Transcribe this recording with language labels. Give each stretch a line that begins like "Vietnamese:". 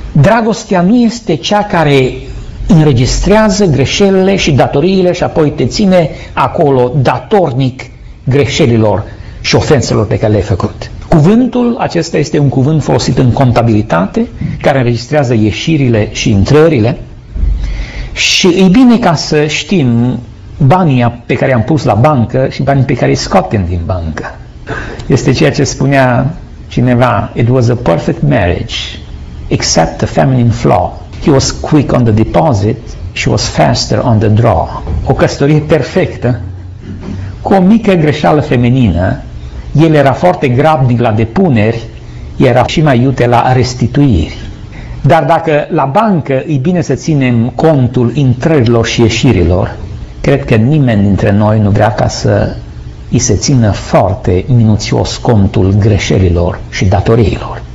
Romanian: Dragostea nu este cea care înregistrează greșelile și datoriile și apoi te ține acolo datornic greșelilor și ofenselor pe care le-ai făcut. Cuvântul acesta este un cuvânt folosit în contabilitate, care înregistrează ieșirile și intrările. Și e bine ca să știm banii pe care i-am pus la bancă și banii pe care îi scoatem din bancă.
English: Este ceea ce spunea cineva, "It was a perfect marriage, except the feminine flaw. He was quick on the deposit, she was faster on the draw."
Romanian: O căsătorie perfectă, cu o mică greșeală feminină, el era foarte grabnic la depuneri, era și mai iute la restituiri. Dar dacă la bancă e bine să ținem contul intrărilor și ieșirilor, cred că nimeni dintre noi nu vrea ca să îi se țină foarte minuțios contul greșelilor și datoriilor.